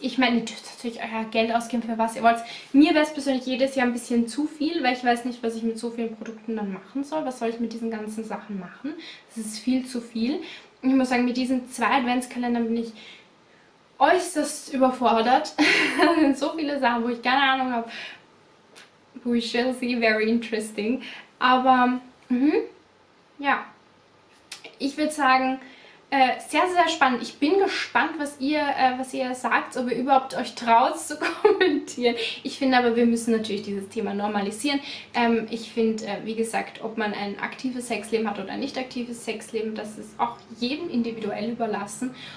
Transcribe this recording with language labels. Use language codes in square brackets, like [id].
[de] Ich meine, ihr dürft natürlich euer Geld ausgeben für was ihr wollt. Mir wäre es persönlich jedes Jahr ein bisschen zu viel, weil ich weiß nicht, was ich mit so vielen Produkten dann machen soll. Was soll ich mit diesen ganzen Sachen machen? Das ist viel zu viel. Ich muss sagen, mit diesen zwei Adventskalendern bin ich äußerst überfordert. So viele Sachen, wo ich keine Ahnung habe. [en] We shall see, very interesting. [de] Aber, ja. Ich würde sagen, sehr, sehr spannend. Ich bin gespannt, was ihr sagt, ob ihr überhaupt euch traut zu kommentieren. Ich finde aber, wir müssen natürlich dieses Thema normalisieren. Ich finde, wie gesagt, ob man ein aktives Sexleben hat oder ein nicht aktives Sexleben, das ist auch jedem individuell überlassen.